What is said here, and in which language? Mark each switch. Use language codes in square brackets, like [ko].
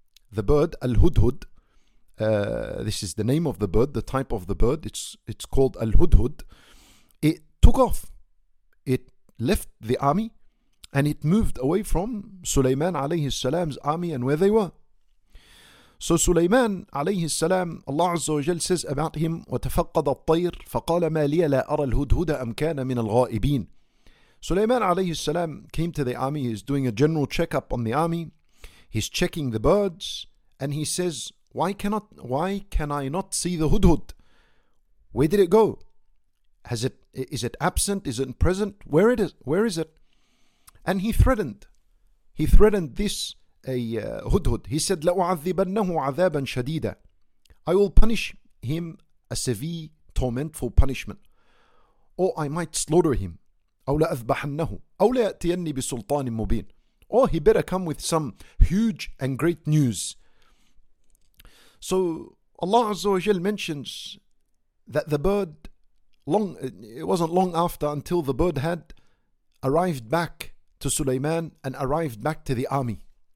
[en] The bird, Al-Hudhud, this is the name of the bird, the type of the bird, it's called Al-Hudhud. It took off. It left the army and it moved away from Sulaiman alayhi salam's army and where they were. So Sulaiman alayhi salam, Allah Azza wa Jal says about him, [ar] وَتَفَقَّدَ الطَّيْرِ فَقَالَ مَا لِيَ لَا أَرَى الْهُدْهُدَ أَمْ كَانَ مِنَ الْغَائِبِينَ. [en] Sulaiman alayhi salam came to the army. He's doing a general checkup on the army. He's checking the birds and he says, why can I not see the hudhud? Where did it go? Is it absent? Is it present? Where is it? And he threatened this hudhud. He said, [ar] لَأُعَذِّبَنَّهُ عَذَابًا شَدِيدًا. [en] I will punish him a severe, tormentful punishment. Or I might slaughter him. [ar] أو لأذبحنه أو لأتيني بسلطان مبين. [en] Or he better come with some huge and great news. So Allah Azza wa Jal mentions that the bird, until the bird had arrived back to Sulaiman and arrived back to the army.